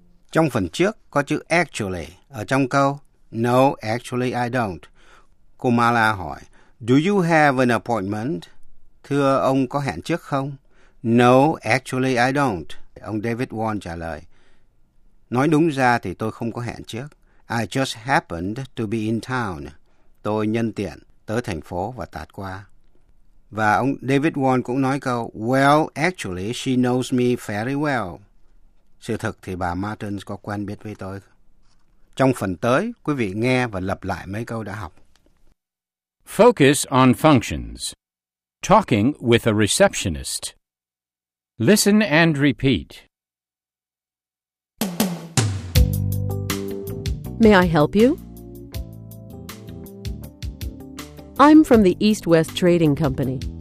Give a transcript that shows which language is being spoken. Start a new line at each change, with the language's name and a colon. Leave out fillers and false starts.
Vietnamese: Trong phần trước có chữ actually. Ở trong câu,
English: no, actually I don't.
Vietnamese: Cô Mala hỏi,
English: do you have an appointment?
Vietnamese: Thưa ông có hẹn trước không?
English: No, actually I don't.
Vietnamese: Ông David Wong trả lời, nói đúng ra thì tôi không có hẹn trước.
English: I just happened to be in town.
Vietnamese: Tôi nhân tiện tới thành phố và tạt qua. Và ông David Wong cũng nói câu,
English: well, actually she knows me very well.
Vietnamese: Sự thực thì bà Martin có quen biết với tôi. Trong phần tới, quý vị nghe và lặp lại mấy câu đã học.
English: Focus on functions. Talking with a receptionist. Listen and repeat. May I help you? I'm from the East West Trading Company.